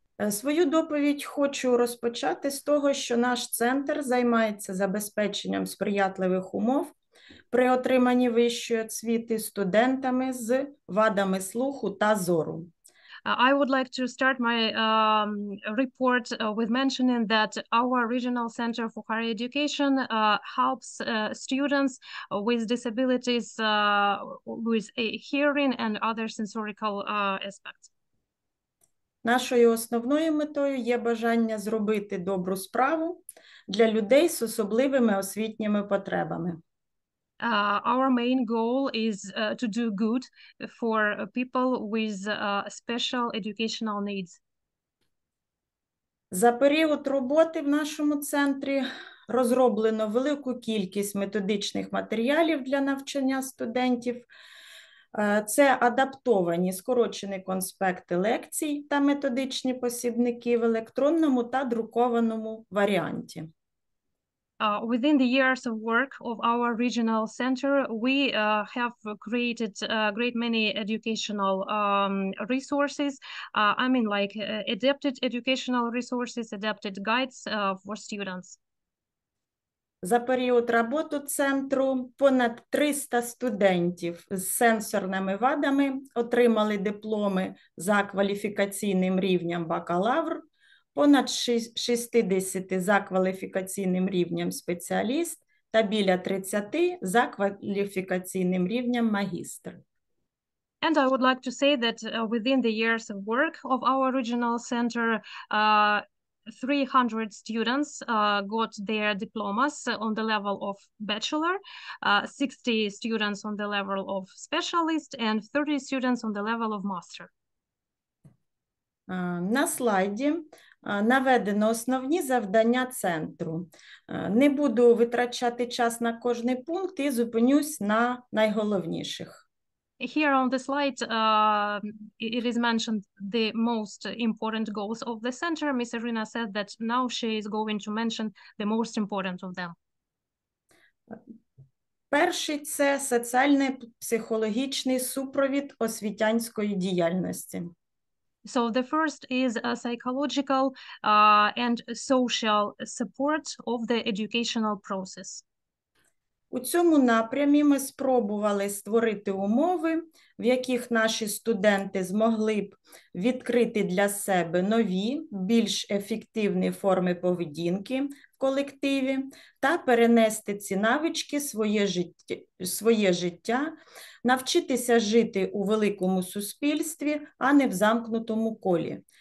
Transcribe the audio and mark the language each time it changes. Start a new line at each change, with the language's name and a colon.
Ukrainian: Свою доповідь хочу розпочати з того, що наш центр займається забезпеченням сприятливих умов при отриманні вищої освіти студентами з вадами слуху та зору.
English: I would like to start my report with mentioning that our Regional Center for Higher Education helps students with disabilities with hearing and other sensorical aspects.
Ukrainian: Нашою основною метою є бажання зробити добру справу для людей з особливими освітніми потребами.
English: Our main goal is to do good for people with special educational needs.
Ukrainian: За період роботи в нашому центрі розроблено велику кількість методичних матеріалів для навчання студентів. Це адаптовані скорочені конспекти лекцій та методичні посібники в електронному та друкованому варіанті.
English: Within the years of work of our regional center, we have created a great many educational resources. I mean, like adapted educational resources, adapted guides for students.
Ukrainian: За період роботи центру понад 300 студентів з сенсорними вадами отримали дипломи за кваліфікаційним рівнем бакалавр, понад 60 за кваліфікаційним рівнем спеціаліст та біля 30 за кваліфікаційним рівнем магістр.
English: And I would like to say that within the years of work of our regional center, 300 students got their diplomas on the level of bachelor, 60 students on the level of specialist, and 30 students on the level of master.
Ukrainian: На слайді наведено основні завдання центру. Не буду витрачати час на кожний пункт і зупинюсь на найголовніших.
English: Here on the slide, it is mentioned the most important goals of the center. Ms. Irina said that now she is going to mention the most important of them.
Ukrainian: Перший – це соціально-психологічний супровід освітянської діяльності.
English: So the first is a psychological and social support of the educational process.
Ukrainian: У цьому напрямі ми спробували створити умови, в яких наші студенти змогли б відкрити для себе нові, більш ефективні форми поведінки в колективі та перенести ці навички в своє життя, навчитися жити у великому суспільстві, а не в замкнутому колі.